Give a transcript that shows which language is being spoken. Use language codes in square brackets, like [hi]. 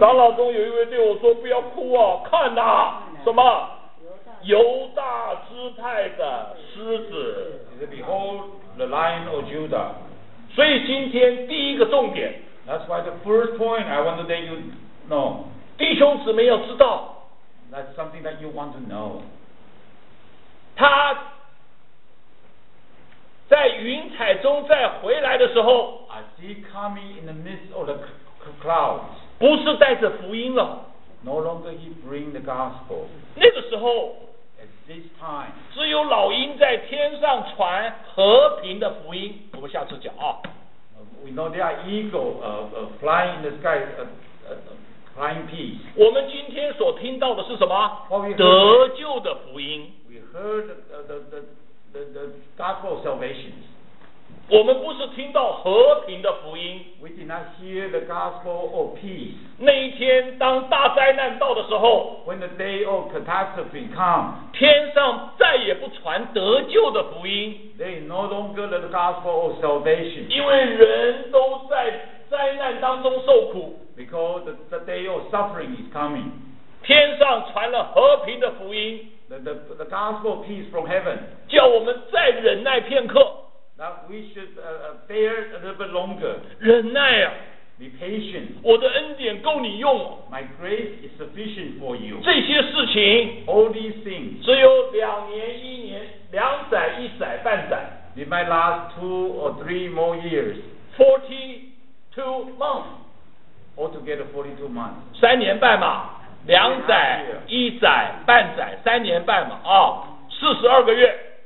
[zh] 长老中有一位对我说：“不要哭啊，看呐、啊，什么犹大支派的狮子。 [en] ”Behold the lion of Judah. [zh] 所以今天第一个重点。 [en] That's why the first point I want to let you know. [zh] 弟兄姊妹要知道。 [en] That's something that you want to know. [zh] 他在云彩中再回来的时候。 [en] Is he coming in the midst of the clouds? [zh] 不是带着福音了。 [en] No longer he bring the gospel. [zh] 那个时候 [en] ，at this time, [zh] 只有老鹰在天上传和平的福音。我们下次讲啊。 [en] We know there are eagles flying in the sky, flying peace. [zh] 我们今天所听到的是什么？ [en] What we heard, [zh] 得救的福音。 [en] We heard the gospel of salvation. [zh] 我们不是听到和平的福音。 [en] We did not hear the gospel of peace. [zh] 那一天当大灾难到的时候 [en] ，When the day of catastrophe comes, [zh] 天上再也不传得救的福音。 [en] There is no longer the gospel of salvation. [zh] 因为人都在灾难当中受苦。 [en] Because the day of suffering is coming. [zh] 天上传了和平的福音。 [en] The gospel of peace from heaven. [zh] 叫我们再忍耐片刻。 [en] That we should bear a little bit longer. [zh] 忍耐啊。 [en] Be patient. [zh] 我的恩典够你用。 [en] My grace is sufficient for you. [zh] 这些事情。 [en] All these things. [zh] 只有两年一年，两载一载半载。 [en] It might last two or three more years. 42 months. Altogether 42 months. [zh] 三年半嘛，两载一载半载，三年半嘛啊，42个月。